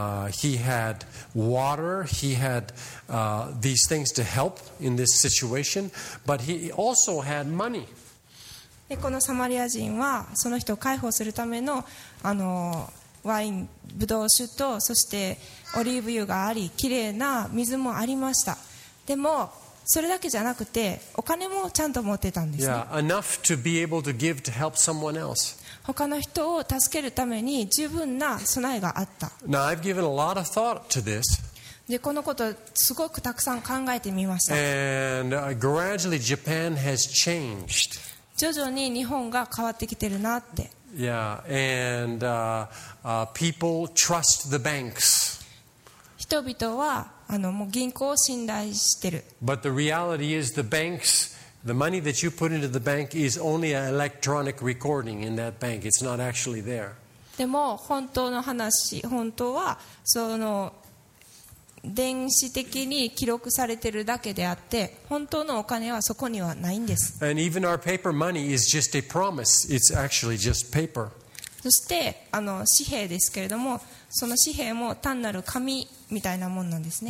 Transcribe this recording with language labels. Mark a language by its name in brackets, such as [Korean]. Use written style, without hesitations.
[English] He had water. He had these things to help in this situation. But he also had money. [Japanese] で、このサマリア人はその人を解放するための、ワイン、ブドウ酒とそしてオリーブ油があり、きれいな水もありました。でもそれだけじゃなくて、お金もちゃんと持ってたんですね。 [English] Yeah, enough to be able to give to help someone else. [Japanese] 他の人を助けるために十分な備えがあった。 [English] Now, I've given a lot of thought to this. [Japanese] で、このことすごくたくさん考えてみました。 [English] And gradually Japan has changed. [Japanese] 徐々に日本が変わってきてるなって。 [English] Yeah, and people trust the banks. [Japanese] 人々はもう銀行を信頼してる。 [English] But the reality is the banks, the money that you put into the bank is only an electronic recording in that bank. It's not actually there. [Japanese] でも本当の話、本当はその電子的に記録されてるだけであって、本当のお金はそこにはないんです。 [English] And even our paper money is just a promise. It's actually just paper. [Japanese] そして紙幣ですけれども、その紙幣も単なる紙みたいなもんなんですね。